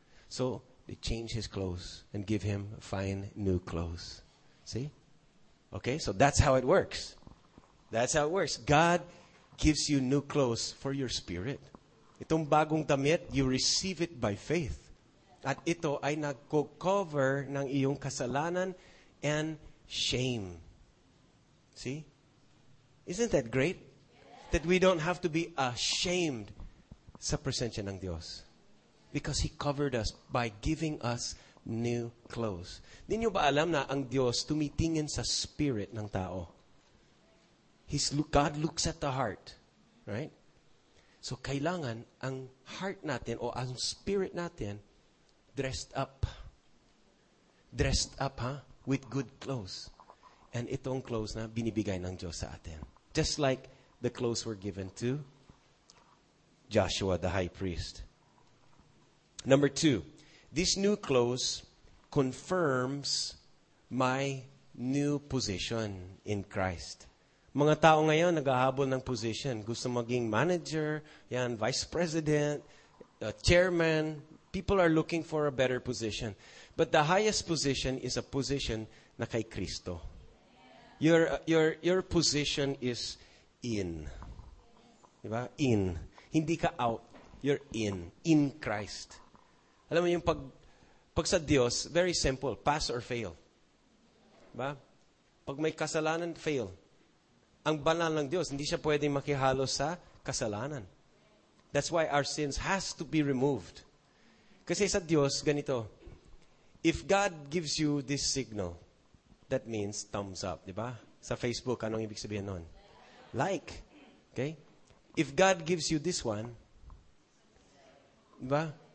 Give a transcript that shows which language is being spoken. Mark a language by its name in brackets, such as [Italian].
[English] So, they change his clothes and give him fine new clothes. See? Okay, so that's how it works. That's how it works. God gives you new clothes for your spirit. [Filipino] Itong bagong damit, [English] you receive it by faith. [Filipino] At ito ay nagko-cover ng iyong kasalanan and shame. [English] See? Isn't that great? That we don't have to be ashamed [Filipino] sa presensya ng Diyos. [English] Because He covered us by giving us new clothes. [Filipino] Di nyo ba alam na ang Diyos tumitingin sa spirit ng tao? [English] God looks at the heart. Right? So, [Filipino] kailangan ang heart natin o ang spirit natin [English] dressed up. Dressed up, ha? With good clothes. [Filipino] And itong clothes na binibigay ng Diyos sa atin. [English] Just like the clothes were given to Joshua the high priest. Number two, this new clothes confirms my new position in Christ. [Filipino] Mga tao ngayon naghahabol ng position. Gusto maging manager, yan, vice president, chairman. [English] People are looking for a better position. But the highest position is a position [Filipino] na kay Kristo. [English] Your position is in. Diba? In. [Filipino] Hindi ka out. [English] You're in Christ. [Filipino] Alam mo yung pag sa Diyos, [English] very simple, pass or fail. Diba? [Filipino] Pag may kasalanan, fail. Ang banal ng Diyos, hindi siya pwedeng makihalo sa kasalanan. [English] That's why our sins has to be removed. [Filipino] Kasi sa Diyos, ganito, [English] if God gives you this signal, that means thumbs up, di ba? [Filipino] Sa Facebook, anong ibig sabihin nun? Like. Okay? [English] If God gives you this one, di ba?